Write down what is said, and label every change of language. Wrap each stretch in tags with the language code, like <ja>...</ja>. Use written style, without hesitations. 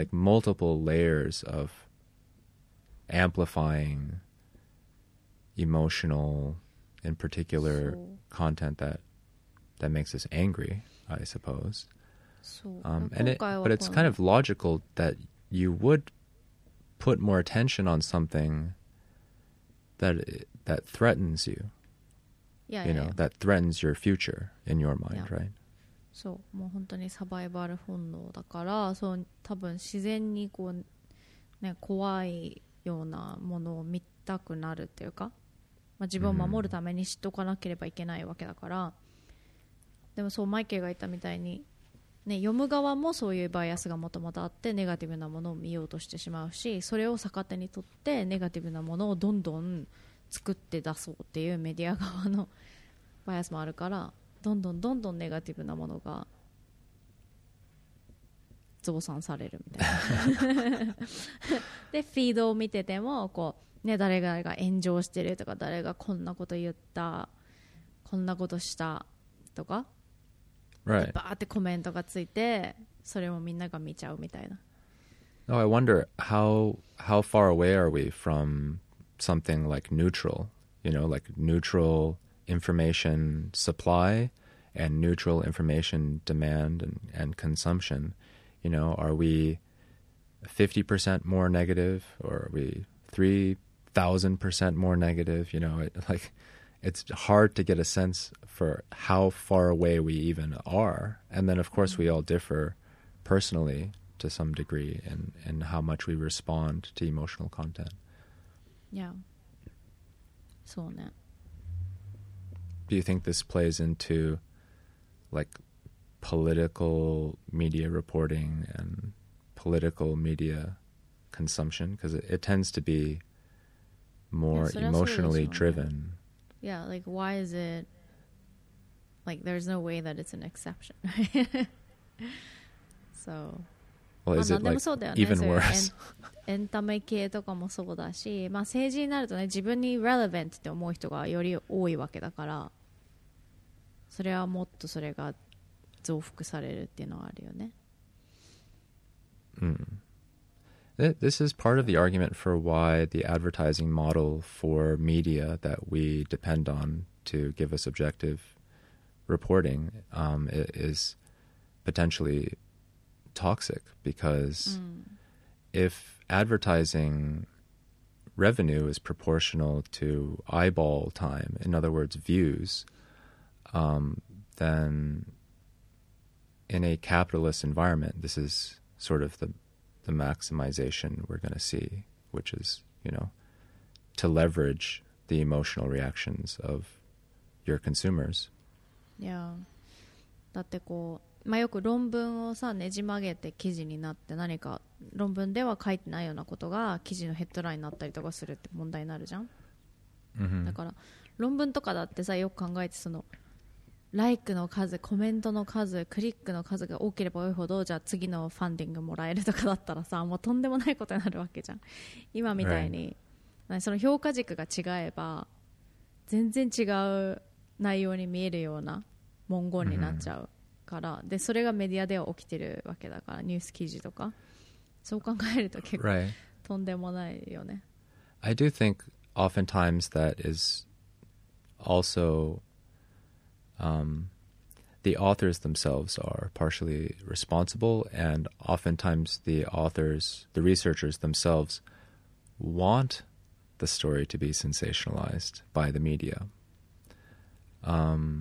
<en>like multiple layers of amplifying emotional in particular so, content that makes us angry, I suppose. So, but it's kind of logical that you would put more attention on something that threatens you. Yeah, you know, yeah. that threatens your future in your mind, yeah. right?</en> <ja>So, もう本当にサバイバル本能だから、そう、多分自然にこう、ね、怖いようなものを見たくなるっていうか、まあ、自分を守るために知っておかなければいけないわけだから、でもそうマイケルが言ったみたいに、ね、読む側もそういうバイアスがもともとあってネガティブなものを見ようとしてしまうし、それを逆手にとってネガティブなものをどんどん作って出そうっていうメディア側のバイアスもあるから、どんどんどんどんネガティブなものが増産されるみたいなでフィードを見ててもこうね、誰々が炎上してるとか、誰がこんなこと言った、こんなことしたとか、</ja> <en>right.</en> <ja>バーってコメントがついて、それもみんなが見ちゃうみたいな。</ja> <en>Oh, I wonder how far away are we from something like neutral, you know, like neutral information supply and neutral information demand and consumption. You know, are we 50% more negative or are we 3,000% more negative? You know, it's hard to get a sense for how far away we even are. And then, of course, mm-hmm. we all differ personally to some degree in how much we respond to emotional content. Yeah. So, ne. Do you think this plays into, like, political media reporting and political media consumption? Because it tends to be more emotionally driven. Yeah, like why is it like there's no way that it's an exception. So well, is it like even worse?</en> <ja>エンタメ系とかもそうだし、まあ政治になるとね、自分に relevant って思う人がより多いわけだから、それはもっとそれが増幅されるっていうのはあるよね。</ja> <en>This is part of the argument for why the advertising model for media that we depend on to give us objective reporting is potentially toxic because if advertising revenue is proportional to eyeball time, in other words, views, then in a capitalist environment, this is sort of the maximization we're going to see, which is, you know, to leverage the emotional reactions of your consumers. Yeah.</en> <ja>だってこう、まあ、よく論文をさねじ曲げて記事になって何か論文では書いてないようなことが記事のヘッドラインになったりとかするって問題になるじゃん、 mm-hmm. だから論文とかだってさよく考えてそのライクの数コメントの数クリックの数が多ければ多いほどじゃあ次のファンディングもらえるとかだったらさもうとんでもないことになるわけじゃん今みたいに、</ja> <en>right.</en> <ja>その評価軸が違えば全然違う内容に見えるような文言になっちゃうから、</ja> <en>mm-hmm.</en> <ja>でそれがメディアでは起きてるわけだからニュース記事とかそう考えると結構、</ja> <en>right.</en> <ja>とんでもないよね</ja> <en>I do think oftentimes that is also、the authors themselves are partially responsible and oftentimes the authors the researchers themselves want the story to be sensationalized by the media、I</en>